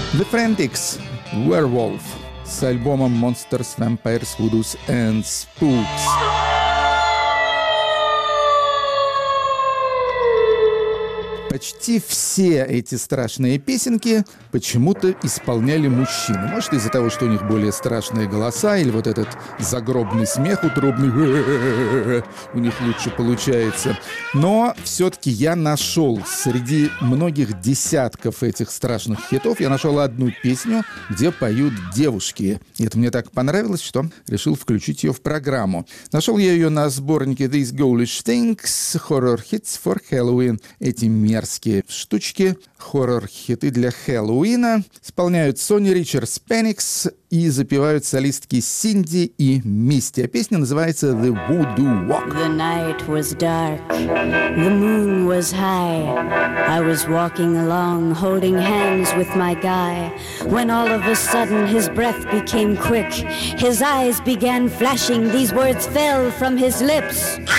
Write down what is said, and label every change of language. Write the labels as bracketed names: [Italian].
[English] Frantics, Werewolf, с альбомом Monsters, Vampires, Voodoos and Spooks. [Russian] Почти все эти страшные песенки почему-то исполняли мужчины. Может, из-за того, что у них более страшные голоса, или вот этот загробный смех утробный у них лучше получается. Но все-таки я нашел среди многих десятков этих страшных хитов, я нашел одну песню, где поют девушки. И это мне так понравилось, что решил включить ее в программу. Нашел я ее на сборнике These Ghoulish Things, Horror Hits for Halloween. Эти мерзкие штучки, хоррор-хиты для Хэллоуина, исполняют Сони Ричардс Пенникс и запевают солистки Синди и Мисти. А песня называется The Voodoo Walk. [English] The night was dark, the moon was high. I was walking along, holding hands with my guy, when all of a sudden his breath became quick, his eyes began flashing, these words fell from his lips.